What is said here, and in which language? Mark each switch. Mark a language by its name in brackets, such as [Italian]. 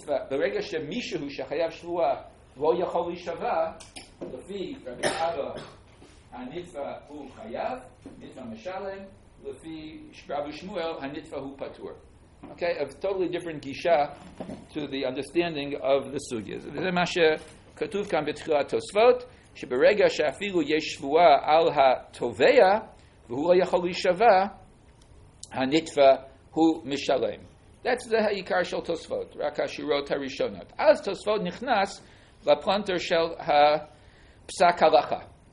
[Hebrew] ברגע שמישהו שחייב שבועה לא יכול להישבע, לפי רבי אבו, הנתבה הוא חייב, נתבה משלם, לפי רבי שמואל, הנתבה הוא פטור. [English] Okay, a totally different גישה to the understanding of the סוגיה. [Hebrew] זה מה שכתוב כאן בתחילת התוספות, שברגע שאפילו יש שבועה על התובע, והוא לא יכול להישבע, הנתבה הוא משלם. זה העיקר של תוספות, רק השורות הראשונות. אז תוספות נכנס לפלנטר של הפסק הלכה.